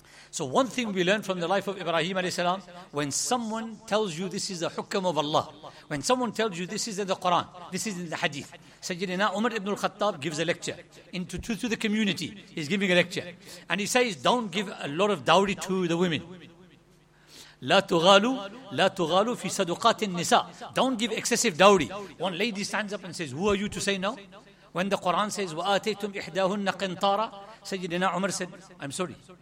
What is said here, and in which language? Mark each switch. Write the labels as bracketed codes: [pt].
[en] So one thing we learn from the life of Ibrahim alayhi salam, when someone tells you this is the hukam of Allah, when someone tells you this is in the Quran, this is in the hadith, Sayyidina Umar ibn al-Khattab gives a lecture to the community. He's giving a lecture. And he says, don't give a lot of dowry to the women. [ar] لا تغالو في صدقات النساء. [en] Don't give excessive dowry. One lady stands up and says, who are you to say no? When the Quran says, [ar] وَآتَيْتُمْ إِحْدَاهُنَّ قِنْطَارًا, [en] Sayyidina Umar said, I'm sorry.